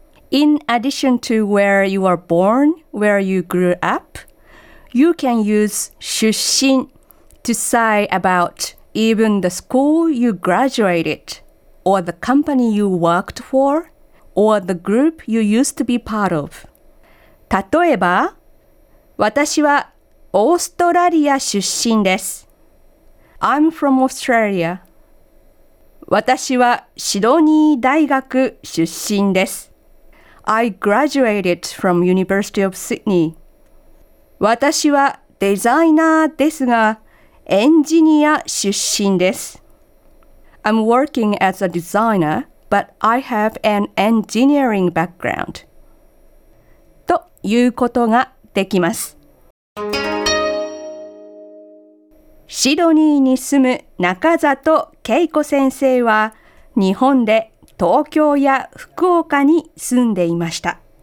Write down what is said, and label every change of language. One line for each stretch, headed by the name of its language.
English: In addition to where you are born, where you grew up, you can use 出身 to say about even the school you graduated, or the company you worked for, or the group you used to be part of.
Japanese: 例えば、私はオーストラリア出身です。
English: I'm from Australia.
Japanese: 私はシドニー大学出身です。
English: I graduated from University of Sydney.
Japanese: 私はデザイナーですが、エンジニア出身です。
English: I'm working as a designer, but I have an engineering background.
Japanese: ということができます。シドニーに住む中里恵子先生は、日本で東京や福岡に住んでいました。